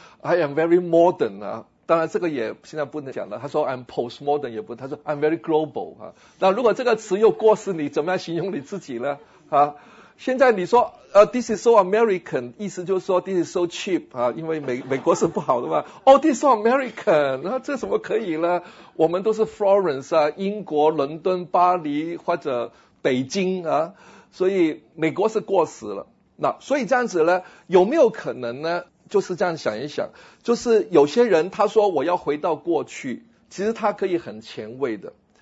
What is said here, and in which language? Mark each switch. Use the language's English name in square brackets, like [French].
[English] I am very modern [Chinese] 啊，当然这个也现在不能讲了，他说 [English] I'm postmodern [Chinese] 也不，他说 [English] I'm very global、 [Chinese] 啊、那如果这个词又过时，你怎么样形容你自己呢、啊、现在你说、 [English] This is so American， [Chinese] 意思就是说 [English] This is so cheap、 [Chinese] 啊、因为 美国是不好的嘛。 [English] Oh, this is so American、 [Chinese] 啊、这怎么可以呢？我们都是 Florence、啊、英国伦敦巴黎或者北京、啊、所以美国是过时了。那所以这样子呢，有没有可能呢，就是这样想一想，就是有些人他说我要回到过去，其实他可以很前卫的。